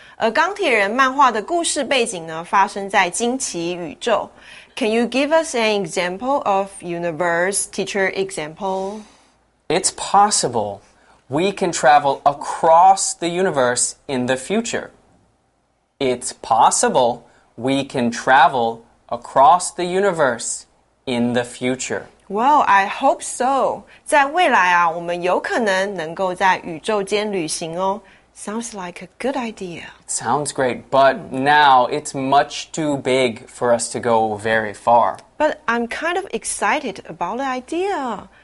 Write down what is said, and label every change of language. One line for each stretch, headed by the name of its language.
Chinese: 而钢铁人漫画的故事背景呢，发生在惊奇宇宙。
English: Can you give us an example of universe, teacher example? It's possible. We can travel across the universe in the future. It's possible we can travel across the universe in the future. Well, I hope so.
Chinese: 在未来啊，我们有可能能够在宇宙间旅行哦。
English: Sounds like a good idea. Sounds great, but now it's much too big for us to go very far. But I'm kind of excited about the idea.